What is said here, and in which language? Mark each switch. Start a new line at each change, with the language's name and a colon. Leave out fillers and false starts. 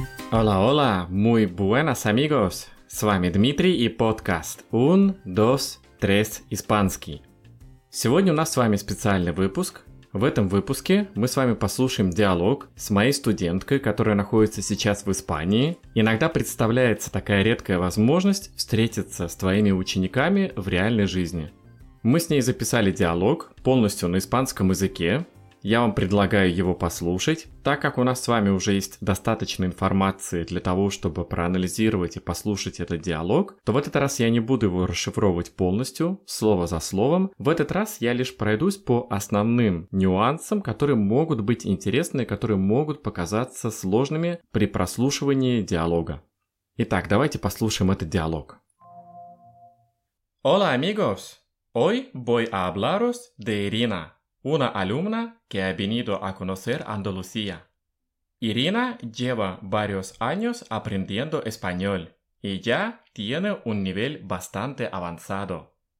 Spanish: Hola, hola, muy buenas amigos.
Russian: С вами Дмитрий и подкаст Un, Dos, Tres испанский. Сегодня у нас с вами специальный выпуск. В этом выпуске мы с вами послушаем диалог с моей студенткой, которая находится сейчас в Испании. Иногда представляется такая редкая возможность встретиться с твоими учениками в реальной жизни. Мы с ней записали диалог полностью на испанском языке. Я вам предлагаю его послушать, так как у нас с вами уже есть достаточно информации для того, чтобы проанализировать и послушать этот диалог, то в этот раз я не буду его расшифровывать полностью, слово за словом. В этот раз я лишь пройдусь по основным нюансам, которые могут быть интересны, которые могут показаться сложными при прослушивании диалога. Итак, давайте послушаем этот диалог.
Spanish: Hola, amigos! Hoy voy a hablaros de Irina. Una alumna que ha venido a conocer Andalucía. Irina lleva varios años aprendiendo español y ya tiene un nivel bastante avanzado.